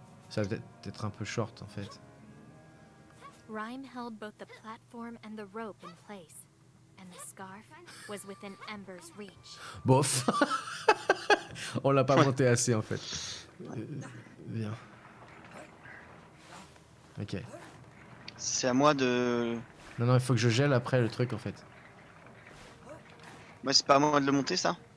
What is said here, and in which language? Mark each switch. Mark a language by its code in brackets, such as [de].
[fr] Ça va être un peu short en fait. [en] Rhyme held both the platform and the rope in place, and the scarf was within Ember's reach. [fr] Bof. On l'a pas monté assez en fait. Viens. Ok. C'est à moi de. Non non, il faut que je gèle après le truc en fait. Moi, c'est pas à moi de le monter ça.